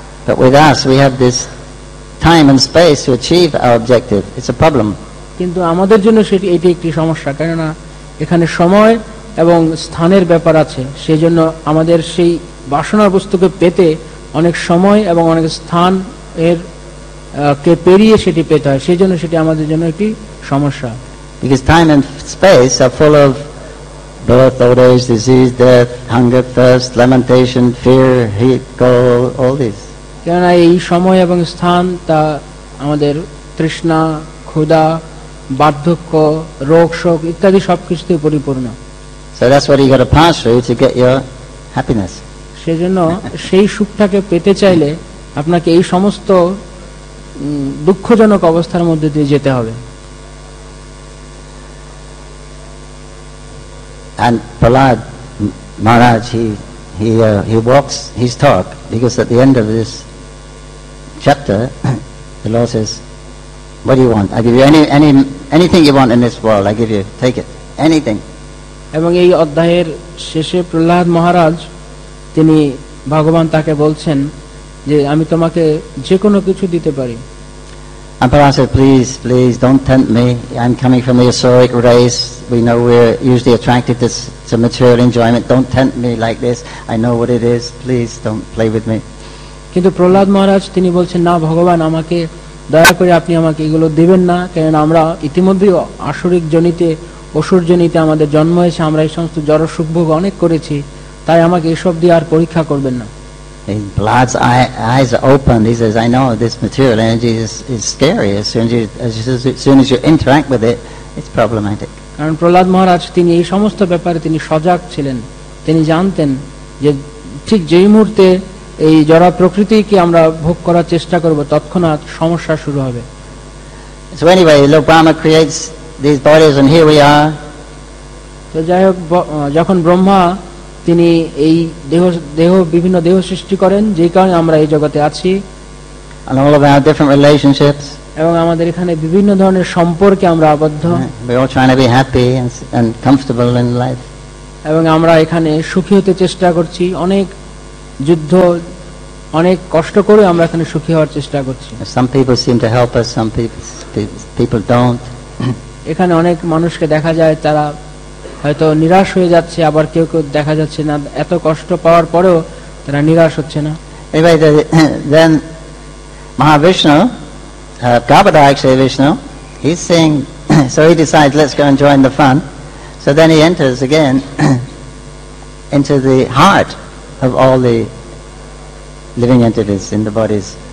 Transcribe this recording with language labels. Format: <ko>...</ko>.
<en>But with us we have this time and space to achieve our objective. It's a problem.</en> <bn>কিন্তু আমাদের জন্য এটি একটি সমস্যা, কেননা এখানে সময় এবং স্থানের ব্যাপার আছে, সেই জন্য আমাদের সেই বাসনার বস্তুকে পেতে অনেক সময় এবং অনেক স্থান এর কে পেরিয়ে সেটি পেতে হয়, সেই জন্য সেটি আমাদের জন্য একটি সমস্যা।</bn> <en>Because time and space are full of birth, old age, disease, death, hunger, thirst, lamentation, fear, heat, cold, all this.</en> <bn>কেননা এই সময় এবং স্থান তা আমাদের তৃষ্ণা ক্ষুধা বার্ধক্য রোগ শোক ইত্যাদি সবকিছুতে পরিপূর্ণ।</bn> <en>So that's what you got to pass through to get your happiness.</en> <bn>সেজন্য সেই সুখটাকে পেতে চাইলে আপনাকে এই সমস্ত দুঃখজনক অবস্থার মধ্যে দিয়ে যেতে হবে।</bn> <en>And Prahlad Maharaj he walks his talk, because at the end of this chapter the Lord says, what do you want? I give you anything you want in this world, I give you, take it, anything.</en> <bn>এবং এই অধ্যায়ের শেষে প্রহ্লাদ মহারাজ তিনি ভগবান তাকে বলছেন যে আমি তোমাকে যে কোনো কিছু দিতে পারি।</bn> <en>Please don't tempt me. I'm coming from the Asuric race. We know we're usually attracted to some material enjoyment. Don't tempt me like this. I know what it is. Please don't play with me.</en> <bn>কিন্তু প্রহ্লাদ মহারাজ তিনি বলছেন না ভগবান আমাকে দয়া করে আপনি আমাকে এগুলো দিবেন না, কারণ আমরা ইতিমধ্যেই আসুরিক জনিতে অসুর জনিতে আমাদের জন্ম হয়েছে, আমরা এই সমস্ত জড় সুখ ভোগ অনেক করেছি, তাই আমাকে এসব দিয়ে আর পরীক্ষা করবেন না।</bn> <en>His blood's eyes are open. He says, I know this material energy is scary. As soon as you interact with it, it's problematic.</en> <bn>কারণ প্রহ্লাদ মহারাজ তিনি এই সমস্ত ব্যাপারে তিনি সজাগ ছিলেন, তিনি জানতেন যে ঠিক যেই মুহূর্তে এই জড় প্রকৃতিকে আমরা ভোগ করার চেষ্টা করব তৎক্ষণাৎ সমস্যা শুরু হবে।</bn> <en>So anyway, Lord Brahma creates these bodies and here we are.</en> <bn>তো যাই হোক, যখন ব্রহ্মা তিনি এই দেহ দেহ বিভিন্ন দেহ সৃষ্টি করেন যেই কারণে আমরা এই জগতে আছি</bn> <en>and all of our different relationships</en> <bn>এবং আমাদের এখানে বিভিন্ন ধরনের সম্পর্কে আমরা আবদ্ধ</bn> <en>we are trying to be happy and comfortable in life</en> <bn>এবং আমরা এখানে সুখী হতে চেষ্টা করছি অনেক যুদ্ধ অনেক কষ্ট করে আমরা এখানে সুখী হওয়ার চেষ্টা করছি</bn> <en>some people seem to help us some people don't</en> <bn>এখানে অনেক মানুষকে দেখা যায় তারা হয়তো নিরাশ হয়ে যাচ্ছে আবার কেউ কেউ দেখা যাচ্ছে না এত কষ্ট পাওয়ার পরেও তারা নিরাশ হচ্ছে না এবারে</bn> <en>then Mahavishnu গাবদায়ক Shri Vishnu he is saying so he decides let's go and join the fun so then he enters again into the heart of all the living entities in the bodies</en>